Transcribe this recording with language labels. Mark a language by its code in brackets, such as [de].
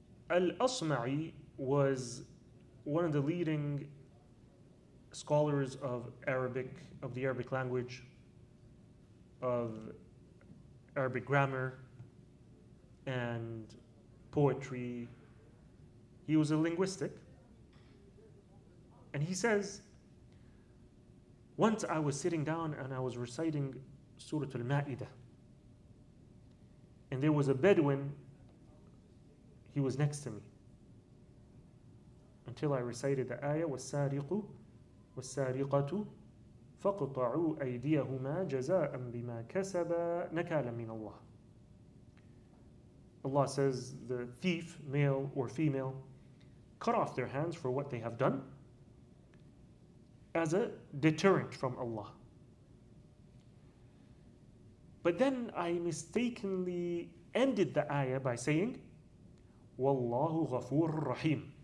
[en] Al-Asma'i was one of the leading scholars of Arabic, of the Arabic language, of Arabic grammar and poetry. He was a linguist. And he says, once I was sitting down and I was reciting Surah Al-Ma'idah, and there was a Bedouin, he was next to me. Until I recited the ayah, [ar] was-sariqu وَالسَّارِقَةُ فَقْطَعُوا أَيْدِيَهُمَا جَزَاءً بِمَا كَسَبَا نَكَالًا مِنَ اللَّهِ. [en] Allah says, the thief, male or female, cut off their hands for what they have done as a deterrent from Allah. But then I mistakenly ended the ayah by saying, [ar] وَاللَّهُ غَفُورٌ رَحِيمٌ.